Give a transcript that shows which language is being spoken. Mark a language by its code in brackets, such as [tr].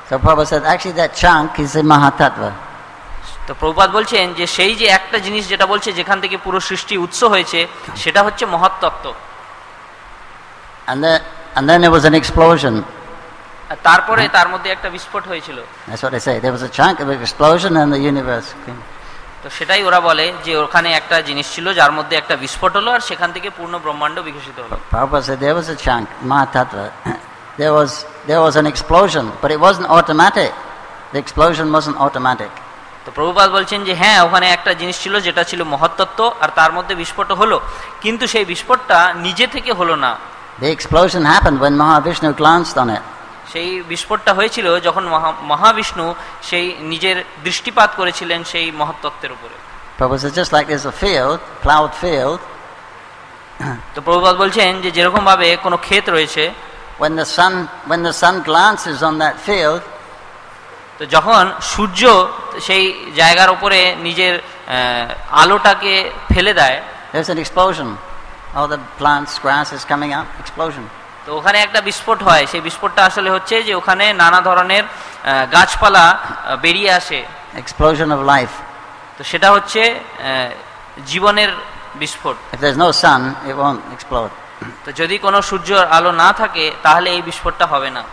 [en] So Prabhupada said actually that chunk is a mahatattva. [bn] তো প্রভুপাদ বলছেন যে সেই যে একটা জিনিস যেটা বলছে যেখান থেকে পুরো সৃষ্টি উৎস হয়েছে সেটা হচ্ছে মহাতত্ত্ব। [en] And then there was an explosion. [bn] তারপরে তার মধ্যে একটা বিস্ফোট হয়েছিল। [en] That's what I say. There was a chunk of explosion and the universe came. [bn] তো সেটাই ওরা বলে যে ওখানে একটা জিনিস ছিল যার মধ্যে একটা বিস্ফোট হলো আর সেখান থেকে পূর্ণ ব্রহ্মাণ্ড বিকশিত হলো। [en] Prabhupada said there was a chunk, mahatattva. There was an explosion, but it wasn't automatic. The explosion wasn't automatic. [bn] তো প্রভুপাদ বলছেন যে হ্যাঁ ওখানে একটা জিনিস ছিল যেটা ছিল মহাতত্ত্ব আর তার মধ্যে বিস্ফোট হলো, কিন্তু সেই বিস্ফোটটা নিজে থেকে হলো না। [en] The explosion happened when Mahavishnu glanced on it. [bn] সেই বিস্ফোরণটা হয়েছিল যখন মহাবিষ্ণু সেই নিজের দৃষ্টিপাত করেছিলেন সেই মহাতত্ত্বের উপরে। [en] Just like there's a field, plowed field. [bn] তো প্রভুপাদ বলছেন যে যেরকম ভাবে কোনো ক্ষেত রয়েছে, [en] when the sun glances on that field, [bn] তো যখন সূর্য সেই জায়গার উপরে নিজের আলোটাকে ফেলে দেয়, [en] there's an explosion. All the plants, grass is coming up, explosion. [bn] তো ওখানে একটা বিস্ফোট হয়, সেই বিস্ফোটটা আসলে হচ্ছে যে ওখানে নানা ধরনের গাছপালা বেরিয়ে আসে। [en] Explosion of life. [bn] তো সেটা হচ্ছে জীবনের বিস্ফোট। [en] If there is no sun, it won't explode. [bn] তো যদি কোনো সূর্যের আলো না থাকে তাহলে এই বিস্ফোটটা হবে না।